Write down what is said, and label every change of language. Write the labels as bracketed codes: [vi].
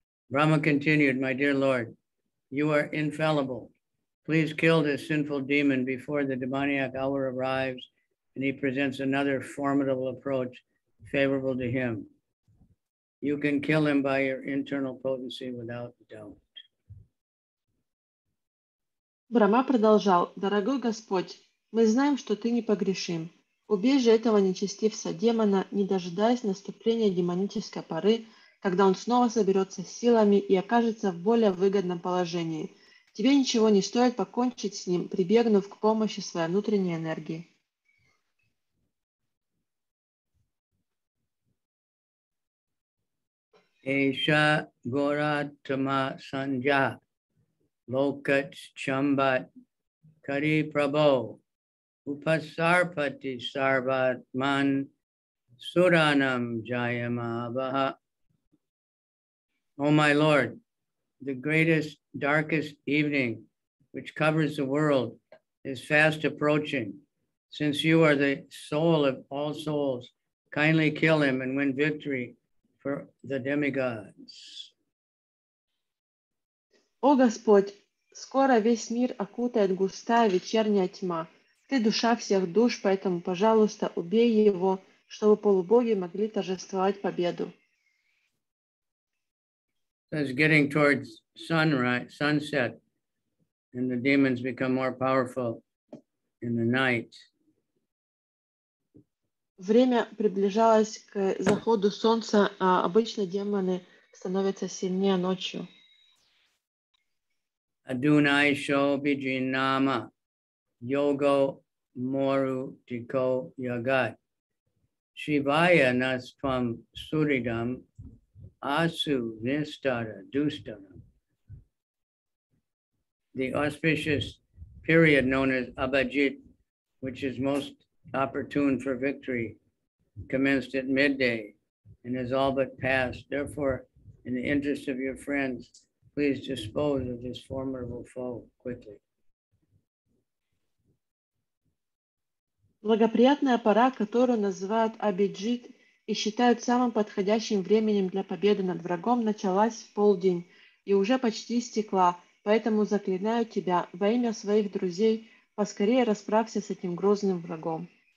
[en] Brahma continued, My dear Lord, you are infallible. Please kill this sinful demon before the demoniac hour arrives and he presents another formidable approach favorable to him. You can kill him by your internal potency without doubt. [ru] Брама продолжал: Дорогой Господь, мы знаем, что ты непогрешим. Убей же этого нечестивца демона, не дожидаясь наступления демонической поры, когда он снова соберется силами и окажется в более выгодном положении. Тебе ничего не стоит покончить с ним, прибегнув к помощи своей внутренней энергии. [sa] Эйша горатма санджа локач чамбат кари прабо упасарпати сарватман суранам джаямабаха. [en] Oh my Lord, the greatest, darkest evening which covers the world is fast approaching. Since you are the soul of all souls, kindly kill him and win victory for the demigods. [ru] О Господь, скоро весь мир окутает густая вечерняя тьма. Ты душа всех душ, поэтому, пожалуйста, убей его, чтобы полубоги могли торжествовать победу. [en] It's getting towards sunrise, sunset, and the demons become more powerful in the night. [ru] Время приближалось к заходу солнца, а обычно демоны становятся сильнее ночью. [sa] Adunai sho bijinama yogo moru tiko yagat shivaya nas tvam suridam Asu Nistara Dustana. [en] The auspicious period known as Abhijit, which is most opportune for victory, commenced at midday and is all but passed. Therefore, in the interest of your friends, please dispose of this formidable foe quickly. [ru] Благоприятная пора, которую называют Абхиджит, и считают самым подходящим временем для победы над врагом, началась в полдень и уже почти истекла, поэтому заклинаю тебя во имя своих друзей, поскорее расправься с этим грозным врагом.